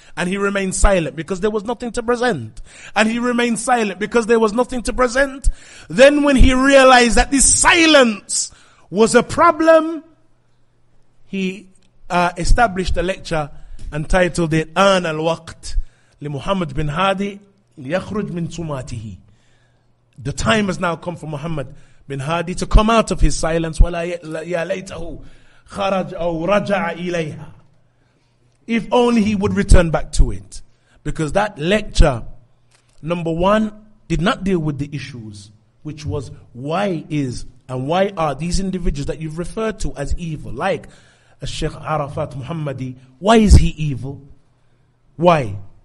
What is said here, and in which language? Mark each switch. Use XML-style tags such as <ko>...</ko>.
<en>And he remained silent because there was nothing to present. And he remained silent because there was nothing to present. Then when he realized that this silence was a problem, he established a lecture and titled it, An al-Waqt.</en> <ar>لمحمد بن هادي ليخرج من صماته.</ar> <en>The time has now come for Muhammad bin Hadi to come out of his silence.</en> <ar>ولا يا ليته خرج أو رجع إليها.</ar> <en>If only he would return back to it, because that lecture, number one, did not deal with the issues, which was why is and why are these individuals that you've referred to as evil, like Sheikh Arafat Muhammadi, why is he evil? Why?</en>